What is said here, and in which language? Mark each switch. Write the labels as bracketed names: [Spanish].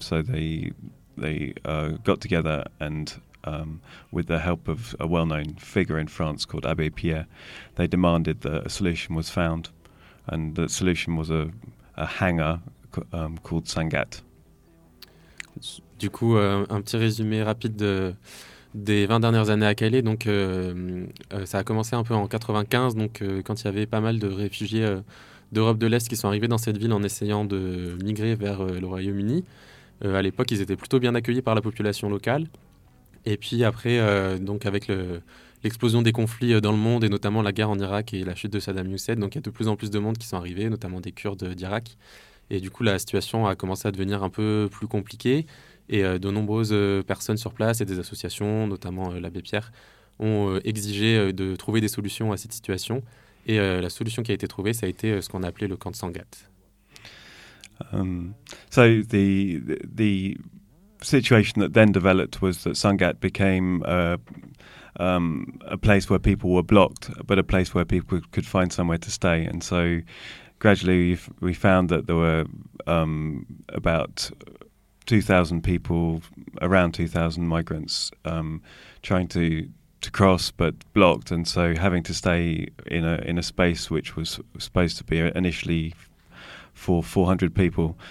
[English] So they got together and with the help of a well-known figure in France called Abbé Pierre, they demanded that a solution was found. And the solution was a hangar called Sangat. [French] Du coup, un petit résumé rapide des 20 dernières années à Calais. Donc, ça a commencé un peu en 95, donc, quand il y avait pas mal de réfugiés d'Europe de l'Est qui sont arrivés dans cette ville en essayant de migrer vers le Royaume-Uni. À l'époque, ils étaient plutôt bien accueillis par la population locale. Et puis après, donc avec l'explosion des conflits dans le monde, et notamment la guerre en Irak et la chute de Saddam Hussein, donc il y a de plus en plus de monde qui sont arrivés, notamment des Kurdes d'Irak. Et du coup, la situation a commencé à devenir un peu plus compliquée. Et de nombreuses personnes sur place et des associations, notamment l'abbé Pierre, ont exigé de trouver des solutions à cette situation. Et la solution qui a été trouvée, ça a été ce qu'on a appelé le camp de Sangat. [English] So the situation that then developed was that Sangat became a place where people were blocked, but a place where people could find somewhere to stay. And so gradually we found that there were about 2,000 people, around 2,000 migrants, trying to cross but blocked, and so having to stay in a space which was supposed to be initially for 400 people.